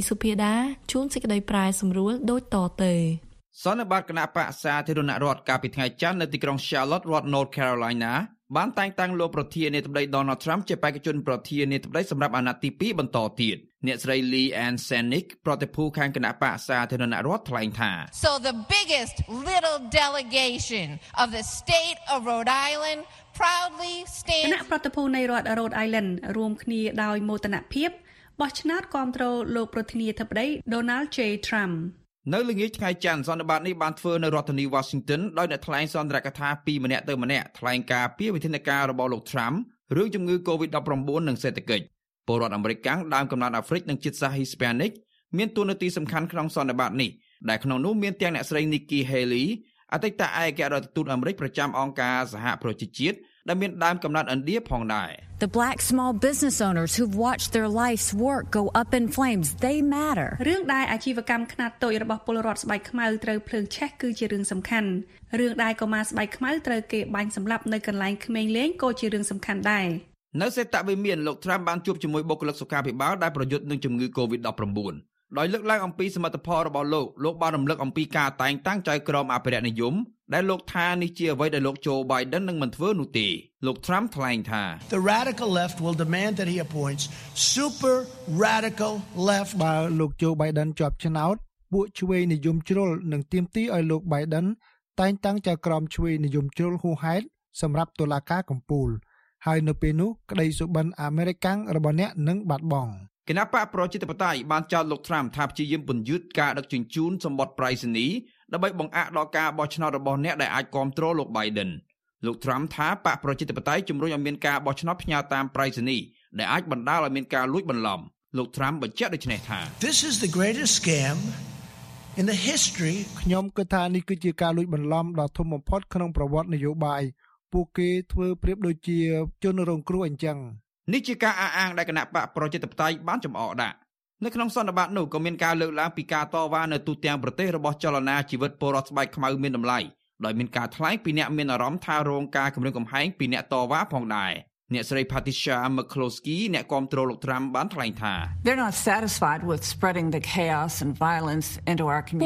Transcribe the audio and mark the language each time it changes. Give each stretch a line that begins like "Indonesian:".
Khmer: Supida ជួនសេចក្តីប្រាយសម្រួលដូចតទៅ សន្និបាតគណៈបក្សសាធារណរដ្ឋកាលពីថ្ងៃច័ន្ទនៅទីក្រុង Charlotte រដ្ឋ North Carolina បានតែងតាំងលោកប្រធាននាយកដ្ឋី Donald Trump ជាបេក្ខជនប្រធាននាយកដ្ឋីសម្រាប់អាណត្តិទី2បន្តទៀតអ្នកស្រី Lee Ann Senick ប្រតិភូខាងគណៈបក្សសាធារណរដ្ឋថ្លែងថា
English: So the biggest little delegation of the state of Rhode Island proudly stands
Khmer: គណៈប្រតិភូនៃរដ្ឋ Rhode Island រួមគ្នាដោយមោទនភាពបោះឆ្នោតគ្រប់គ្រងលោកប្រធានាធិបតី Donald J. Trump នៅល្ងាចថ្ងៃច័ន្ទសន្និបាតនេះបានធ្វើនៅរដ្ឋធានី Washington ដោយអ្នកថ្លែងសន្ទរកថាពីរម្នាក់ទៅម្នាក់ថ្លែងការពីវិធានការរបស់លោក Trump រឿងជំងឺ COVID-19 និងសេដ្ឋកិច្ចពលរដ្ឋអាមេរិកដើមកំណើតអាហ្វ្រិកនិងជាតិសាសន៍ Hispanic មានតួនាទីសំខាន់ក្នុងសន្និបាតនេះដែលក្នុងនោះមានទាំងអ្នកស្រី Nikki Haley អតីតឯកអគ្គរដ្ឋទូតអាមេរិកប្រចាំអង្គការសហប្រជាជាតិដែលមានដើមកំណើតឥណ្ឌាផងដែរ
English: The black small business owners who've watched their life's work go up in flames, they matter.
Khmer: រឿងដែរអាជីវកម្មខ្នាតតូចរបស់ពលរដ្ឋស្បែកខ្មៅត្រូវភ្លើងឆេះគឺជារឿងសំខាន់រឿងដែរកុមារស្បែកខ្មៅត្រូវគេបាញ់សម្លាប់នៅកន្លែងក្មេងលេងក៏ជារឿងសំខាន់ដែរ នៅសេតវិមានលោក Trump បានជួបជាមួយបុគ្គលិកសុខាភិបាលដែលប្រយុទ្ធនឹងជំងឺ COVID-19 ដោយលើកឡើងអំពីសមត្ថភាពរបស់លោកលោកបានរំលឹកអំពីការតែងតាំងចៅក្រមអភិរក្សនិយមដែលលោកថានេះជាអ្វីដែលលោកโจ Biden នឹងមិនធ្វើនោះទេលោក Trump ថ្លែងថា
English: The radical left will demand that he appoints super radical left
Khmer: បើលោកโจ Biden ជាប់ឆ្នោតពួកជ្វេនិយមជ្រុលនឹងទាមទារឲ្យលោក Biden តែងតាំងចៅក្រមជ្វេនិយមជ្រុលហួហេតសម្រាប់តុលាការកំពូលហើយនៅពេលនោះក្តីសុបិនអាមេរិកាំងរបស់អ្នកនឹងបាត់បង់ គណៈបកប្រជាធិបតេយ្យបានចោទលោកត្រាំថាព្យាយាមពន្យឺតការដឹកជញ្ជូនសម្បត្តិប្រៃសណីដើម្បីបង្អាក់ដល់ការបោះឆ្នោតរបស់អ្នកដែលអាចគ្រប់គ្រងលោក Biden លោកត្រាំថាបកប្រជាធិបតេយ្យជំរុញឲ្យមានការបោះឆ្នោតផ្ញើតាមប្រៃសណីដែលអាចបណ្តាលឲ្យមានការលួចបន្លំលោកត្រាំបញ្ជាក់ដូចនេះថា
English: This is the greatest scam in the history
Khmer: ខ្ញុំគិតថានេះគឺជាការលួចបន្លំដ៏ធំបំផុតក្នុងប្រវត្តិនយោបាយពួកគេធ្វើប្រៀបដូចជាជនរងគ្រោះអញ្ចឹង នេះជាការអះអាងដែលគណៈបកប្រជាធិបតេយ្យបានចំអកដាក់នៅក្នុងសន្និបាតនោះក៏មានការលើកឡើងពីការតវ៉ានៅទូទាំងប្រទេសរបស់ចលនាជីវិតពលរដ្ឋស្បែកខ្មៅមានតម្លៃដោយមានការថ្លែងពីអ្នកមានអារម្មណ៍ថារងការគំរាមកំហែងពីអ្នកតវ៉ាផងដែរអ្នកស្រី Patricia McCloskey អ្នកគាំទ្រលោកត្រាំបានថ្លែងថា
English: They're not satisfied with spreading the chaos and violence into our community.